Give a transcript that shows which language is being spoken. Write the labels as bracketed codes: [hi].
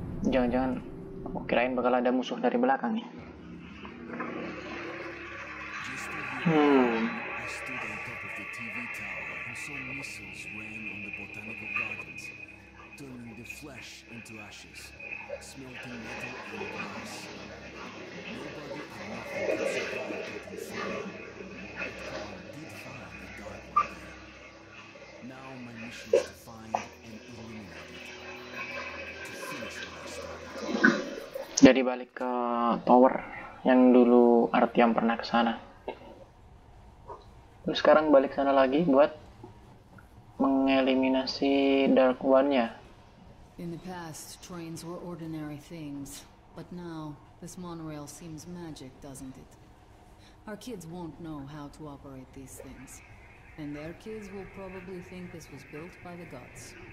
[id] Jangan-jangan aku kirain bakal ada musuh dari belakang nih. [en] I stood on top of the TV tower and saw missiles rain on the botanical gardens, turning the flesh into ashes, smelting metal and glass. Nobody or nothing could survive that inferno. But Carl did find the Dark One there. Now my mission is to find and eliminate it. To finish what I started. [id] Jadi balik ke tower yang dulu Artyom pernah ke sana. Terus sekarang balik sana lagi buat mengeliminasi Dark One-nya. [en] In the past, trains were ordinary things, but now this monorail seems magic, doesn't it? Our kids won't know how to operate these things, and their kids will probably think this was built by the gods.